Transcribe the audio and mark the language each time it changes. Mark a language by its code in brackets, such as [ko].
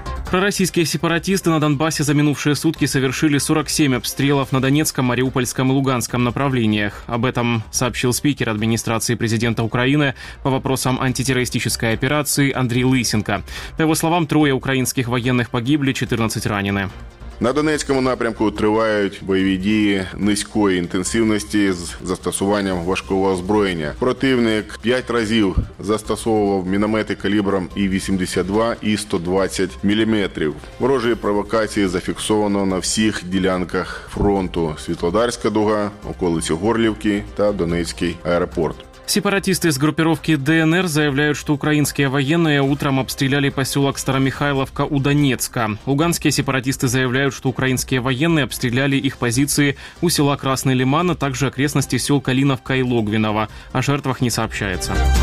[ru] Пророссийские сепаратисты на Донбассе за минувшие сутки совершили 47 обстрелов на Донецком, Мариупольском и Луганском направлениях. Об этом сообщил спикер администрации президента Украины по вопросам антитеррористической операции Андрей Лысенко. По его словам, трое украинских военных погибли, 14 ранены. [uk] На Донецькому напрямку тривають бойові дії низької інтенсивності з застосуванням важкого озброєння. Противник 5 разів застосовував міномети калібром і 82, і 120 міліметрів. Ворожі провокації зафіксовано на всіх ділянках фронту: Світлодарська дуга, околиці Горлівки та Донецький аеропорт. [ru] Сепаратисты из группировки ДНР заявляют, что украинские военные утром обстреляли поселок Старомихайловка у Донецка. Луганские сепаратисты заявляют, что украинские военные обстреляли их позиции у села Красный Лиман, а также окрестности сел Калиновка и Логвинова. О жертвах не сообщается.